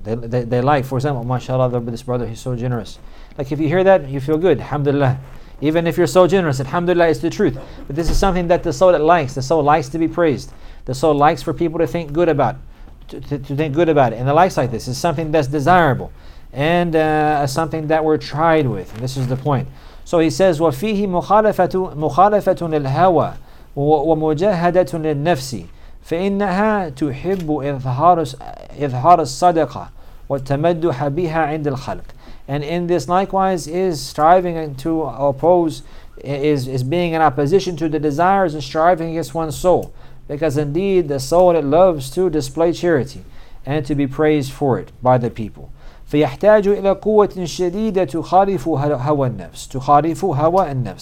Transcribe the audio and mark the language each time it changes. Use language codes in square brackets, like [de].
[en] They like, for example, mashallah, this brother, he's so generous. Like if you hear that, you feel good. Alhamdulillah. Even if you're so generous, alhamdulillah is the truth. But this is something that the soul that likes. The soul likes to be praised. The soul likes for people to think good about. To think good about it. And the likes like this is something that's desirable. And something that we're tried with. And this is the point. [ar] So he says, وَفِيهِ مُخَالَفَةٌ لِلْهَوَى وَمُجَهَدَةٌ لِلنَّفْسِ فَإِنَّهَا تُحِبُّ إِظْهَارَ الصَّدَقَةِ وَالتَّمَدُّحَ بِهَا عِنْدِ الْخَلْقِ. [en] And in this likewise is striving to oppose, is being in opposition to the desires and striving against one's soul. Because indeed the soul it loves to display charity and to be praised for it by the people. [ar] فَيَحْتَاجُ إِلَى قُوَّةٍ شَدِيدَةٍ تُخَالِفُ هَوَى النَّفْسِ تُخَالِفُ هَوَى النَّفْسِ.